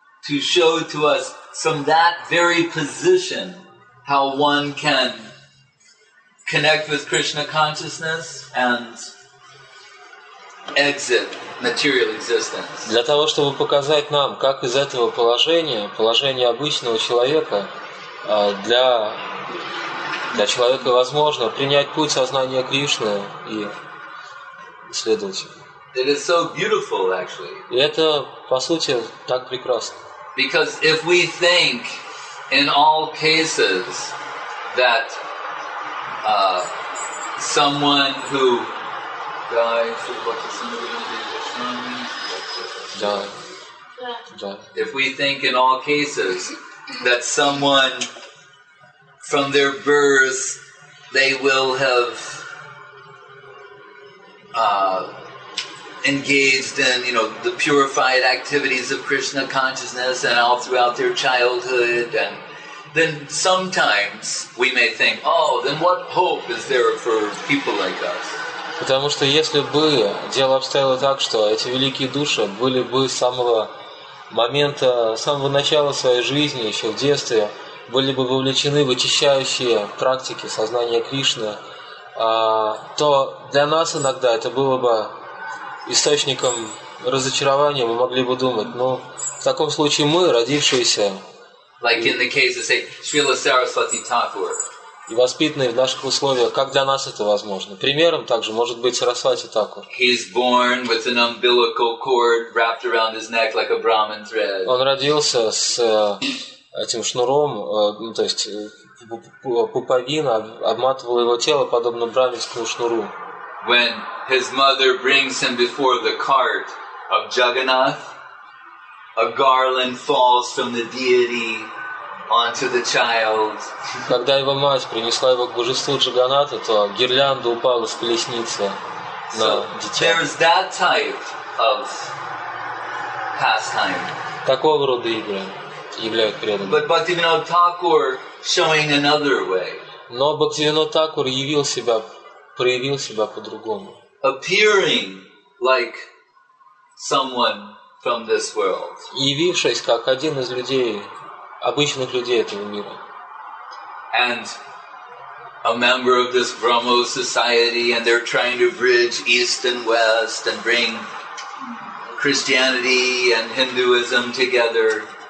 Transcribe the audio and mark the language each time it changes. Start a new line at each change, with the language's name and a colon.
English: To show to us from that very position how one can connect with Krishna consciousness and exit material existence.
Russian: Для того, чтобы показать нам, как из этого положения, положения обычного человека, для человека возможно принять путь сознания Кришны и следовать ему.
English: It is so beautiful, actually.
Russian: И это, по сути, так прекрасно.
English: Because if we think in all cases that someone who dies, what is somebody going to be Vaishnavi? If we think in all cases that someone from their birth they will have engaged in, you know, the purified activities of Krishna consciousness and all throughout their childhood, and then sometimes we may think, oh, then what hope is there for people like us?
Russian: Потому что если бы дело обстояло так, что эти великие души были бы с самого момента, с самого начала своей жизни, еще в детстве, были бы вовлечены в очищающие практики сознания Кришны, то для нас иногда это было бы источником разочарования. Мы могли бы думать, ну, в таком случае мы, родившиеся,
English: like in the case of, say, Srila Saraswati Thakur.
Russian: И воспитанные в наших условиях, как для нас это возможно? Примером также может быть Сарасвати Такур.
English: He's born with an umbilical cord wrapped around his neck like a Brahmin thread.
Russian: Он родился с этим шнуром, то есть пуповина обматывала его тело подобно брахминскому шнуру.
English: When his mother brings him before the cart of Jagannath, a garland falls from the deity onto the child.
Russian: Когда его мать принесла его к божеству Джаганнату, то гирлянда упала с колесницы на дитя.
English: There is that type of pastime.
Russian: Такого рода игры являются преданными.
English: But Bhaktivinoda Thakur showing another way.
Russian: Но Бхактивинода Такур явил себя, проявил себя по-другому.
English: Appearing like someone from this world.
Russian: Явившись как один из людей, обычных людей этого мира.
English: And a member of this Brahmo society, and they're trying to bridge East and West and bring Christianity and Hinduism together.